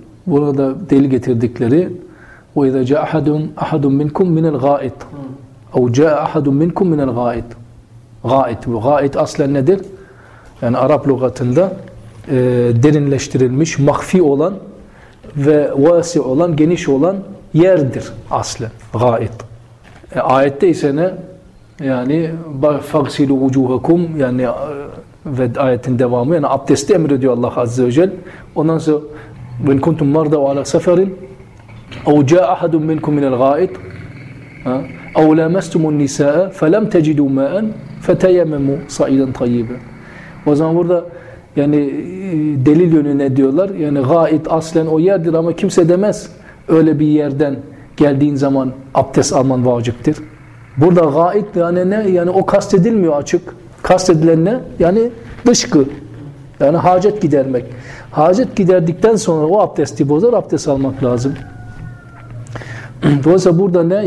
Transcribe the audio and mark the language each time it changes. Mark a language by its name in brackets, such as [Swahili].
[Turkish] Burada da delil getirdikleri [Arabic] وَاِذَا جَا أَحَدٌ مِنْكُمْ مِنَ الْغَائِطِ اَوْ جَاءَ اَحَدٌ مِنْكُمْ مِنَ الْغَائِطِ Gâit. [Turkish] Bu gâit aslen nedir? Yani Arap lügatında derinleştirilmiş, mahfi olan ve vâsi olan, geniş olan yerdir aslen. Gâit. Ayette ise ne? Yani [Arabic] فَغْسِلُوا وُجُوهَكُمْ [Turkish] yani ve ayetin devamı yani abdesti emrediyor Allah Azze ve Celle. [Arabic] Ondan sonra وَنْ كُنْتُمْ مَرْضَ وَعَلَى سَفَرٍ اَوْ جَاءَ اَحَدٌ مِنْكُمْ مِنَ الْغَائِطِ اَوْ لَمَسْتُمُ النِّسَاءَ فَلَمْ تَجِدُوا مَاً فَتَيَمَمُوا صَعِيدًا طَيِّبًا [Turkish] O zaman burada yani delil yönüne diyorlar. Yani gâit aslen o yerdir ama kimse demez. Öyle bir yerden geldiğin zaman abdest alman vaciptir. Burada gâit yani ne? Yani o kastedilmiyor açık. Kastedilen ne? Yani dışkı. Yani hacet gidermek. Hacet giderdikten sonra o abdesti bozar, abdest almak lazım. Dolayısıyla burada ne?